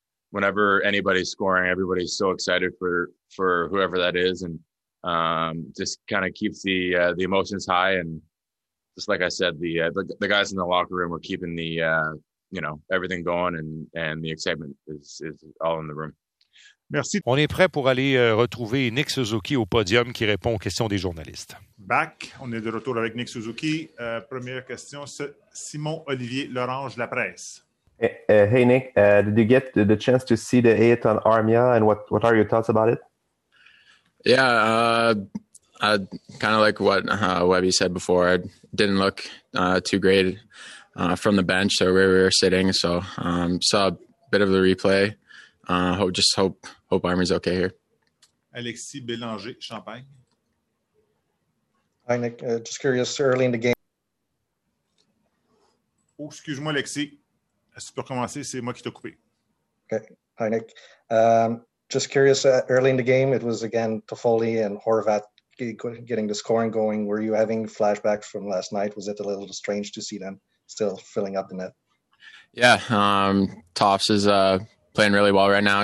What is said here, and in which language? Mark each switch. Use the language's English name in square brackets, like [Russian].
[English] Whenever anybody's scoring, everybody's so excited for whoever that is. And, just kind of keeps the emotions high. And just like I said, the guys in the locker room are keeping everything going, and the excitement is all in the room. [French] Merci. On est prêt pour aller retrouver Nick Suzuki au podium qui répond aux questions des journalistes. Back, on est de retour avec Nick Suzuki. Première question, Simon-Olivier Lorange, La Presse. [English] Hey Nick, did you get the chance to see the hit on Armia, and what are your thoughts about it? Yeah, kind of like what Webby said before, it didn't look too great from the bench, so where we were sitting, so saw a bit of the replay. Hope Armia's okay here. Alexis Bélanger, Champagne. Hi, Nick. Just curious, early in the game. [French] Oh, excuse-moi, Alexis. Si tu peux recommencer, c'est moi qui t'ai coupé. [English] Okay. Hi, Nick. Just curious, early in the game, it was again Toffoli and Horvat getting the scoring going. Were you having flashbacks from last night? Was it a little strange to see them still filling up the net? Yeah, Toffs is playing really well right now.